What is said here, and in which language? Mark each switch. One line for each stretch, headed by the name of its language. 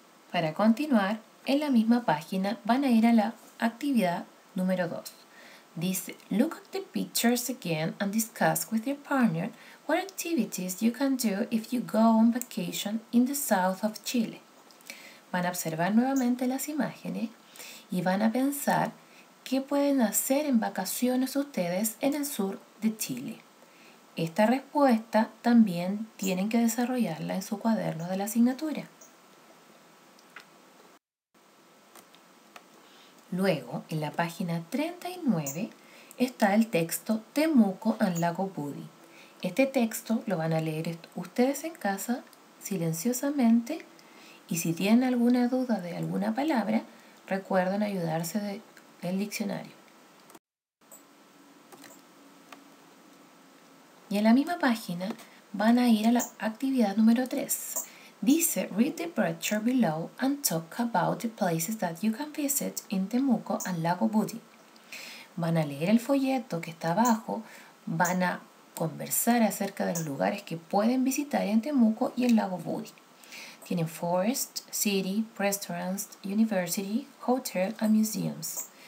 Spanish: Para continuar, en la misma página van a ir a la actividad número 2. Dice,
English: look at the pictures again and discuss with your partner what activities you can do if you go on vacation in the south of Chile.
Spanish: Van a observar nuevamente las imágenes y van a pensar qué pueden hacer en vacaciones ustedes en el sur de Chile. Esta respuesta también tienen que desarrollarla en su cuaderno de la asignatura. Luego, en la página 39, está el texto Temuco and Lago Pudi. Este texto lo van a leer ustedes en casa silenciosamente. Y si tienen alguna duda de alguna palabra, recuerden ayudarse del diccionario. Y en la misma página van a ir a la actividad número 3. Dice,
English: read the brochure below and talk about the places that you can visit in Temuco and Lago Pudi.
Spanish: Van a leer el folleto que está abajo, van a conversar acerca de los lugares que pueden visitar en Temuco y en Lago Pudi. Tienen
English: forest, city, restaurants, university, hotel and museums.